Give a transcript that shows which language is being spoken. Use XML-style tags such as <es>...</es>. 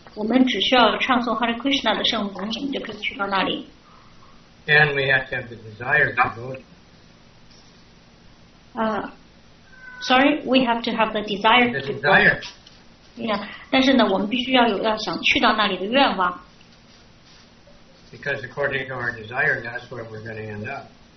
<zh>我们只需要唱诵 Hare Krishna 的圣名，我们就可以去到那里。</zh> <en>And we have to have the desire to go. We have to have the desire. The desire.</en> <zh>Yeah, 但是呢，我们必须要想去到那里的愿望。</zh> <en>Because according to our desire, that's where we're going to end up.</en>